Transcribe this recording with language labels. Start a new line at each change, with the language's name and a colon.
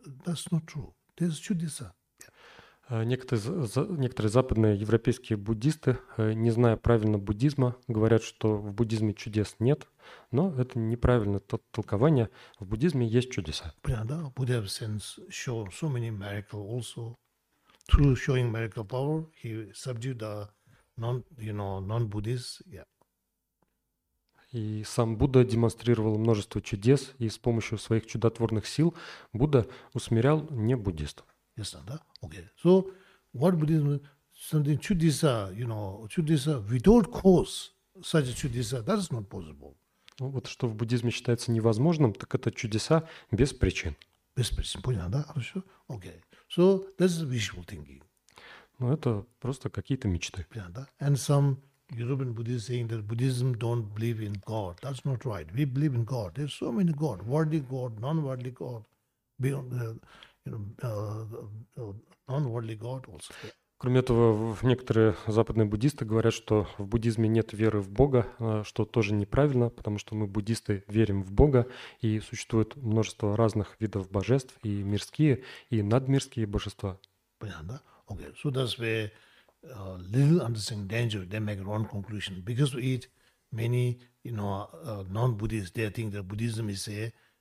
English: That's not true. There is chudisa.
Russian: Некоторые западные европейские буддисты, не зная правильно буддизма, говорят, что в буддизме чудес нет, но это неправильно то толкование. В буддизме есть чудеса. Да,
English: Buddha has since shown so many miracles also. Through showing miracle power, he subdued the non-Buddhists.
Russian: И сам Будда демонстрировал множество чудес, и с помощью своих чудотворных сил Будда усмирял не буддистов.
English: Yes,
Russian: да?
English: Okay. So, what Buddhism, something чудеса, you know, чудеса, without cause, such a чудеса, that is not possible.
Russian: Ну, вот что в буддизме считается невозможным, так это чудеса без причин. Без причин, понятно, да? Хорошо?
English: Okay. So, that's wishful thinking.
Russian: Ну, это просто какие-то мечты. Понятно, да?
English: And some European Buddhists saying that Buddhism don't believe in God. That's not right. We believe in God. There's so many God, worldly God, non-worldly God, beyond non-worldly God also.
Russian: Кроме этого, некоторые западные буддисты говорят, что в буддизме нет веры в Бога, что тоже неправильно, потому что мы, буддисты, верим в Бога, и существует множество разных видов божеств, и мирские, и надмирские божества. Понятно, да?
English: Okay. So that's where little understanding danger, they make wrong conclusion. Because we eat many, you know, non-Buddhists, they think that Buddhism is a